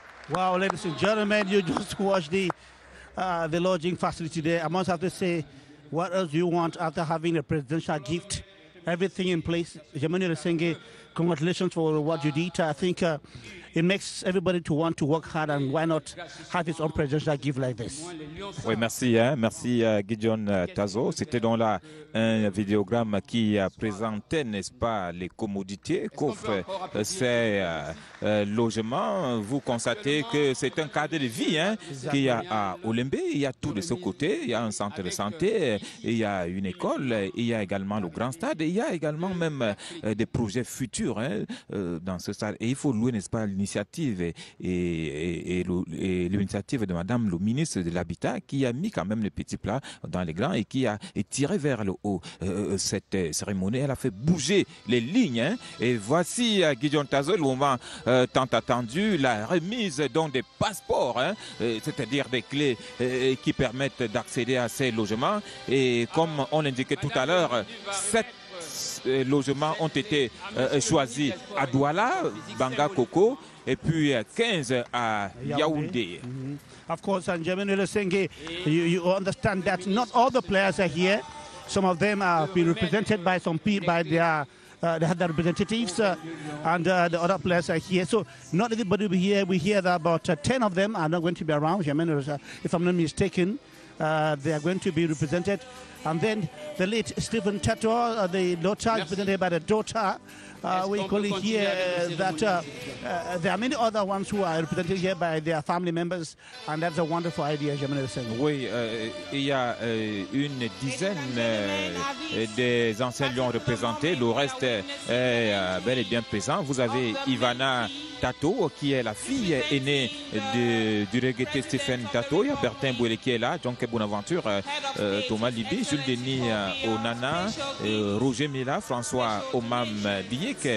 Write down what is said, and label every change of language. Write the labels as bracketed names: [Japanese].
[English] Wow, ladies and gentlemen, you just watched the lodging facility there. I must have to say, what else do you want after having a presidential gift, everything in place? Germaine Lesenge, congratulations for what you did. I think it makes everybody to want to work hard, and why not have his own presidential gift like this? [French] Oui, merci. Hein? Merci, Gideon Tazo. C'était donc là un vidéogramme qui présentait, n'est-ce pas, les commodités qu'offrent ces logements. Vous constatez que c'est un cadre de vie hein, qu'il y a à Olembe. Il y a tout de ce côté. Il y a un centre de santé, il y a une école, il y a également le grand stade, il y a également même des projets futurs hein, dans ce stade. Et il faut louer, n'est-ce pas, l'initiative et l'initiative de Madame le ministre de l'Habitat qui a mis quand même le petit plat dans les grands et qui a tiré vers le haut cette cérémonie. Elle a fait bouger les lignes. Hein. Et voici Gideon Tazo, le moment tant attendu, la remise donc, des passeports, hein, c'est-à-dire des clés qui permettent d'accéder à ces logements. Et comme on l'indiquait tout à l'heure, cette logements ont été choisis à Douala, Banga Koko, et puis 15 à Yaoundé. Mm-hmm. [English] Of course, and Germaine Lesenge, you understand that not all the players are here. Some of them have been represented by some people, by their representatives, and the other players are here. So not everybody will be here. We hear that about 10 of them are not going to be around. Germaine, if I'm not mistaken, they are going to be represented. And then the late Stephen Tatto, the daughter, presented by the daughter. We call it here that there are many other ones who are represented here by their family members, and that's a wonderful idea, Germaine Lesenge. [French] Oui, il y a une dizaine des anciens lions représentés. Le reste est bel et bien présent. Vous avez Ivana Tatto, qui est la fille aînée du regretté Stephen Tatto. Il y a Bertin Bouélé qui est là, Jonke Bonaventure, Thomas Libi, Jules Denis Onana, Roger Mila, François Omam Bié.